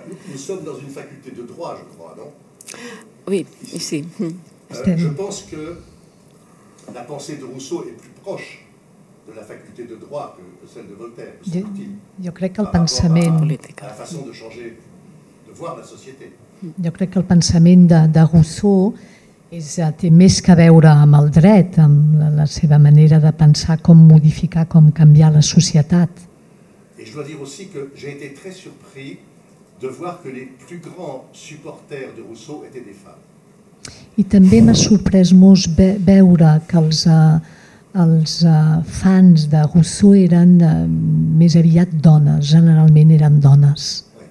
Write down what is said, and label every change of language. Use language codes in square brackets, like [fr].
[fr] Nous sommes dans une faculté de droit, je crois, non? Oui, ici. Je pense que la pensée de Rousseau est plus proche de la faculté de droit que celle de Voltaire. [ca] Jo crec que el pensament... [fr] La façon de changer, de voir la société. [ca] Jo crec que el pensament de Rousseau té més que veure amb el dret, amb la seva manera de pensar com modificar, com canviar la societat. [fr] Et je dois dire aussi que j'ai été très surpris de voir que les plus grands supporters de Rousseau étaient des femmes. [ca] I també m'ha sorprès molt veure que els fans de Rousseau eren més aviat dones, generalment eren dones.